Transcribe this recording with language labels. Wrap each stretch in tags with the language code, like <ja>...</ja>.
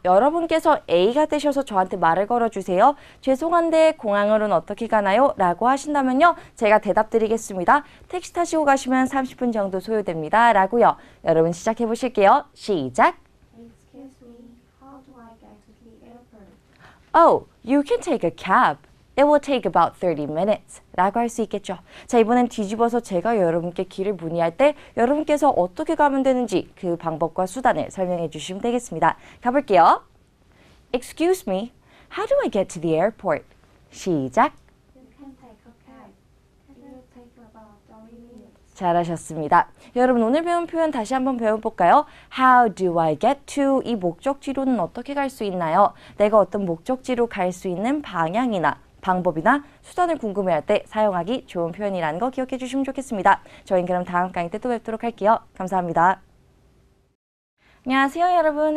<ko>여러분께서 A가 되셔서 저한테 말을 걸어주세요. 죄송한데 공항으로는 어떻게 가나요? 라고 하신다면요. 제가 대답드리겠습니다. 택시 타시고 가시면 30분 정도 소요됩니다. 라고요. 여러분 시작해 보실게요. 시작!</ko> <en>Excuse me, how do I get to the airport? Oh, you can take a cab. It will take about 30 minutes.</en> <ko>라고 할 수 있겠죠. 자, 이번엔 뒤집어서 제가 여러분께 길을 문의할 때 여러분께서 어떻게 가면 되는지 그 방법과 수단을 설명해 주시면 되겠습니다. 가볼게요.</ko> <en>Excuse me, how do I get to the airport?</en> <ko>시작.</ko> <en>You can take a cab. It will take about 30 minutes.</en> <ko>잘하셨습니다. 여러분, 오늘 배운 표현 다시 한번 배워볼까요?</ko> <en>How do I get to?</en> <ko>이 목적지로는 어떻게 갈 수 있나요? 내가 어떤 목적지로 갈 수 있는 방향이나 방법이나 수단을 궁금해할 때 사용하기 좋은 표현이라는 거 기억해 주시면 좋겠습니다. 저희는 그럼 다음 강의 때 또 뵙도록 할게요. 감사합니다. 안녕하세요, 여러분.</ko>